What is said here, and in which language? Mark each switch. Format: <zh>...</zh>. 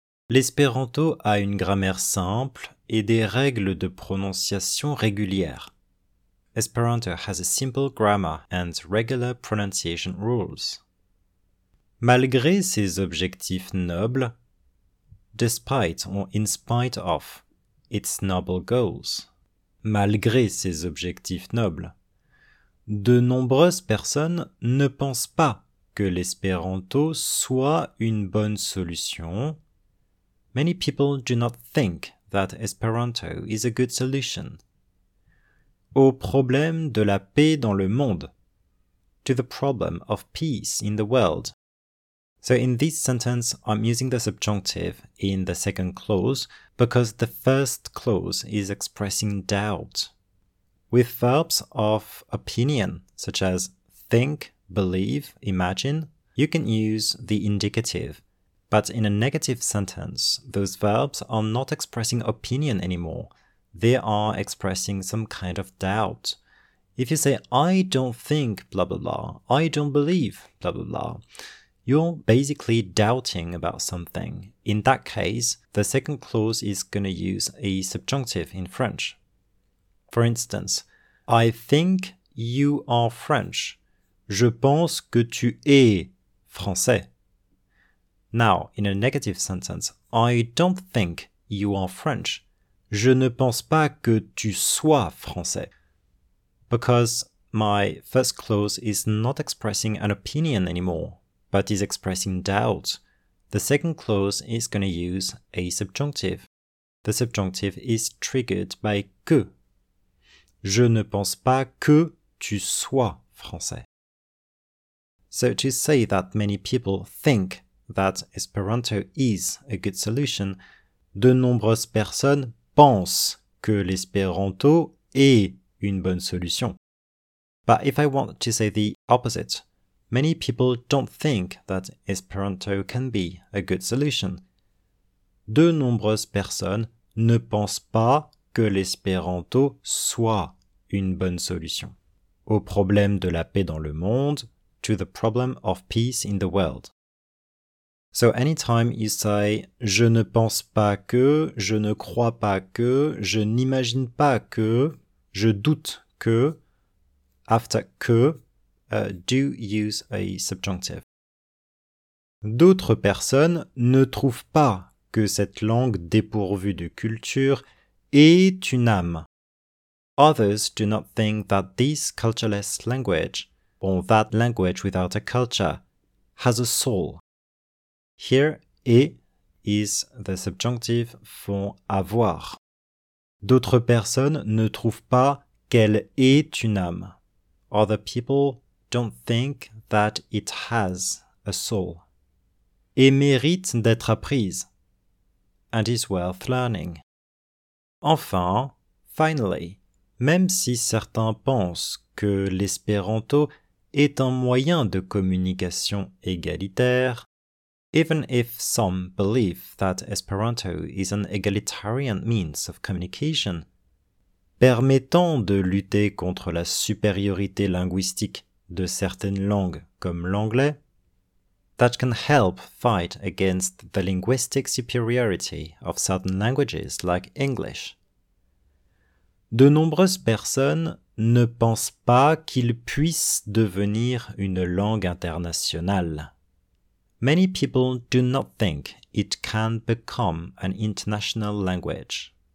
<fr>L'espéranto a une grammaire simple et des règles de prononciation régulières.</fr> <en>Esperanto has a simple grammar and regular pronunciation rules.</en> <fr>Malgré ses objectifs nobles,</fr> <en>despite or in spite of its noble goals,</en> <fr>malgré ses objectifs nobles, de nombreuses personnes ne pensent pas que l'espéranto soit une bonne solution.</fr> <en>Many people do not think that Esperanto is a good solution.</en> <fr>Au problème de la paix dans le monde.</fr> <en>To the problem of peace in the world. So in this sentence, I'm using the subjunctive in the second clause because the first clause is expressing doubt. With verbs of opinion, such as think, believe, imagine, you can use the indicative. But in a negative sentence, those verbs are not expressing opinion anymore. They are expressing some kind of doubt. If you say, I don't think, blah, blah, blah, I don't believe, blah, blah, blah, you're basically doubting about something. In that case, the second clause is going to use a subjunctive in French. For instance, I think you are French.</en> <fr>Je pense que tu es français.</fr> <en>Now, in a negative sentence, I don't think you are French.</en> <fr>Je ne pense pas que tu sois français.</fr> <en>Because my first clause is not expressing an opinion anymore, but is expressing doubt. The second clause is going to use a subjunctive. The subjunctive is triggered by que.</en> <fr>Je ne pense pas que tu sois français.</fr> <en>So to say that many people think that Esperanto is a good solution,</en> <fr>de nombreuses personnes pense que l'espéranto est une bonne solution.</fr> <en>But if I want to say the opposite, many people don't think that Esperanto can be a good solution.</en> <fr>De nombreuses personnes ne pensent pas que l'espéranto soit une bonne solution. Au problème de la paix dans le monde,</fr> <en>to the problem of peace in the world. So anytime you say,</en> <fr>je ne pense pas que, je ne crois pas que, je n'imagine pas que, je doute que,</fr> <en>after que, do use a subjunctive.</en> <fr>D'autres personnes ne trouvent pas que cette langue dépourvue de culture est une âme.</fr> <en>Others do not think that this cultureless language, or that language without a culture, has a soul. Here, et is the subjunctive for avoir.</en> <fr>D'autres personnes ne trouvent pas qu'elle est une âme.</fr> <en>Other people don't think that it has a soul.</en> <fr>Et mérite d'être apprise.</fr> <en>And is worth learning.</en> <fr>Enfin,</fr> <en>finally,</en> <fr>même si certains pensent que l'espéranto est un moyen de communication égalitaire,</fr> <en>even if some believe that Esperanto is an egalitarian means of communication,</en> <fr>permettant de lutter contre la supériorité linguistique de certaines langues comme l'anglais,</fr> <en>that can help fight against the linguistic superiority of certain languages like English.</en> <fr>De nombreuses personnes ne pensent pas qu'il puisse devenir une langue internationale.</fr> <en>Many people do not think it can become an international language.</en>